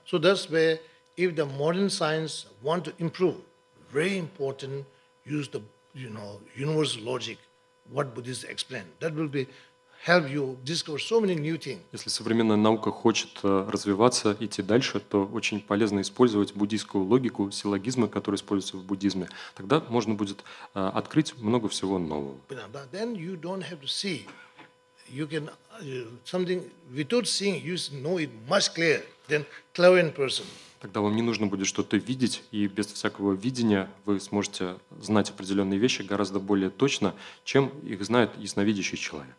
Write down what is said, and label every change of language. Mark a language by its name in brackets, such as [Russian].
[English] So that's where, if the modern science want to improve, very important use the, you know, universal logic, what Buddhists explain. That will be help you discover so many new things. [Russian] Если современная наука хочет развиваться, идти дальше, то очень полезно использовать буддийскую логику, силлогизмы, которые используются в буддизме. Тогда можно будет открыть много всего нового. [English] Then you don't have to see. You can something without seeing, you know it much clearer than clairvoyant person. [Russian] Тогда вам не нужно будет что-то видеть, и без всякого видения вы сможете знать определенные вещи гораздо более точно, чем их знает ясновидящий человек.